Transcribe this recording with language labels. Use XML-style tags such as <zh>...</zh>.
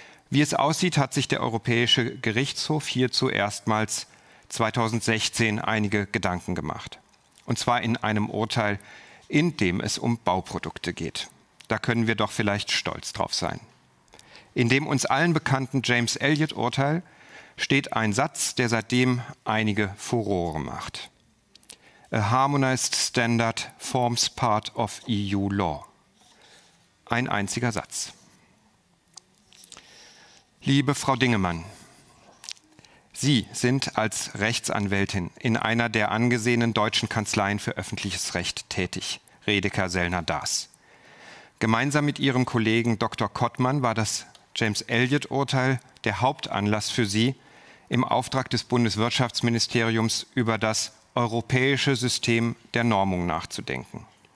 <de>Wie es aussieht, hat sich der Europäische Gerichtshof hierzu erstmals 2016 einige Gedanken gemacht. Und zwar in einem Urteil, in dem es um Bauprodukte geht. Da können wir doch vielleicht stolz drauf sein. In dem uns allen bekannten James-Elliott-Urteil steht ein Satz, der seitdem einige Furore macht.</de> <en>A harmonized standard forms part of EU law.</en> <de>Ein einziger Satz. Liebe Frau Dingemann, Sie sind als Rechtsanwältin in einer der angesehenen deutschen Kanzleien für öffentliches Recht tätig, Redeker Sellner Daas. Gemeinsam mit Ihrem Kollegen Dr. Kottmann war das James-Elliott-Urteil der Hauptanlass für Sie, im Auftrag des Bundeswirtschaftsministeriums über das europäische System der Normung nachzudenken.</de>